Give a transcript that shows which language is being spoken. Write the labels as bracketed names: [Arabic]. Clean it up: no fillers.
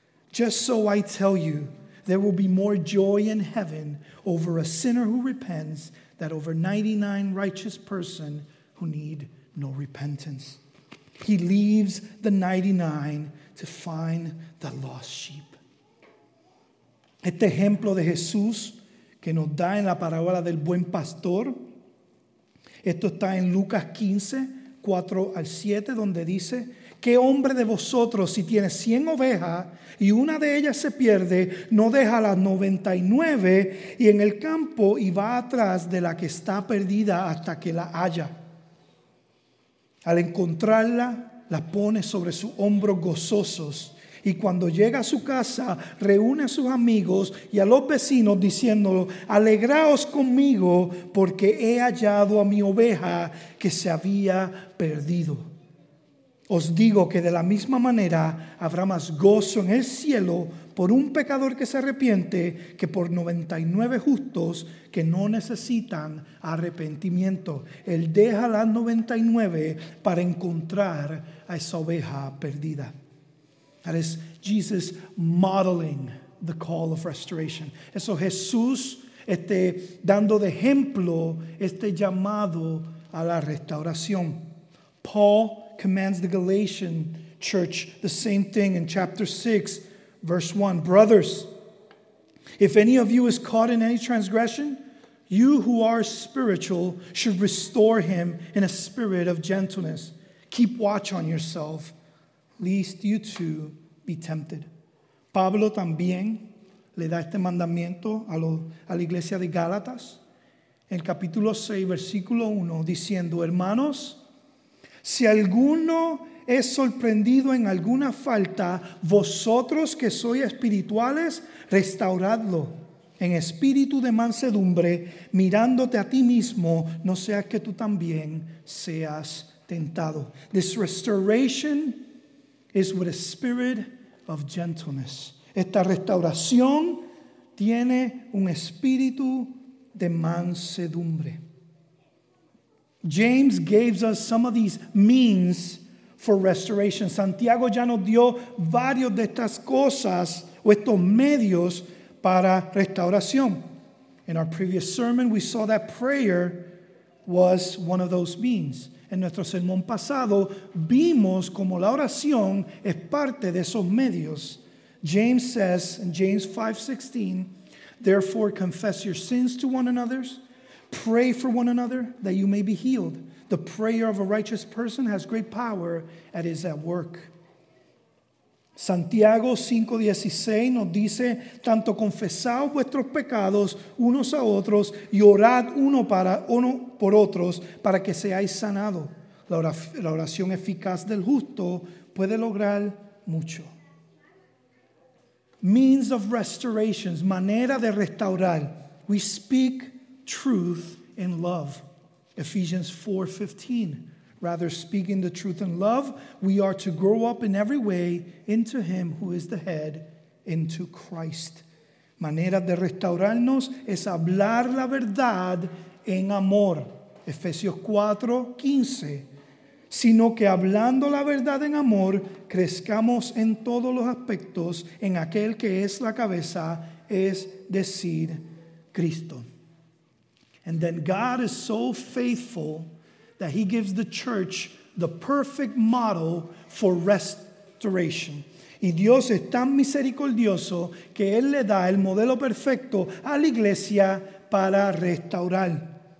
[English] Just so I tell you, there will be more joy in heaven over a sinner who repents than over 99 righteous persons who need no repentance. He leaves the 99 to find the lost sheep. [Spanish] Este ejemplo de Jesús que nos da en la parábola del buen pastor, esto está en Lucas 15, 4 al 7, donde dice, ¿qué hombre de vosotros, si tiene 100 ovejas y una de ellas se pierde, no deja las 99 y en el campo y va atrás de la que está perdida hasta que la haya? Al encontrarla, la pone sobre sus hombros gozosos. Y cuando llega a su casa, reúne a sus amigos y a los vecinos diciéndolo, alegraos conmigo porque he hallado a mi oveja que se había perdido. Os digo que de la misma manera habrá más gozo en el cielo por un pecador que se arrepiente que por 99 justos que no necesitan arrepentimiento. Él deja las 99 para encontrar a esa oveja perdida. [English] That is Jesus modeling the call of restoration. [Spanish] Eso Jesús dando de ejemplo este llamado a la restauración. [English] Paul commands the Galatian church the same thing in chapter 6, verse 1. Brothers, if any of you is caught in any transgression, you who are spiritual should restore him in a spirit of gentleness. Keep watch on yourself, lest you too be tempted. [Spanish] Pablo también le da este mandamiento a la iglesia de Gálatas, en el capítulo 6, versículo 1, diciendo, hermanos, si alguno es sorprendido en alguna falta, vosotros que sois espirituales, restauradlo en espíritu de mansedumbre, mirándote a ti mismo, no sea que tú también seas tentado. [English] This restoration is with a spirit of gentleness. [Spanish] Esta restauración tiene un espíritu de mansedumbre. [English] James gives us some of these means for restoration. [Spanish] Santiago ya nos dio varios de estas cosas o estos medios para restauración. [English] In our previous sermon, we saw that prayer was one of those means. [Spanish] En nuestro sermón pasado, vimos como la oración es parte de esos medios. [English] James says in James 5:16, therefore confess your sins to one another, pray for one another that you may be healed. The prayer of a righteous person has great power and is at work. [Spanish] Santiago 5:16 nos dice, tanto confesad vuestros pecados unos a otros y orad uno por otros para que seáis sanados. La oración eficaz del justo puede lograr mucho. [English] Means of restorations, [Spanish] manera de restaurar. [English] We speak truth in love. Ephesians 4:15. Rather, speaking the truth in love, we are to grow up in every way into him who is the head, into Christ. [Spanish] Manera de restaurarnos es hablar la verdad en amor. Efesios 4:15. sino que hablando la verdad en amor, crezcamos en todos los aspectos en aquel que es la cabeza, es decir, Cristo. [English] And then God is so faithful that he gives the church the perfect model for restoration. [Spanish] Y Dios es tan misericordioso que él le da el modelo perfecto a la iglesia para restaurar.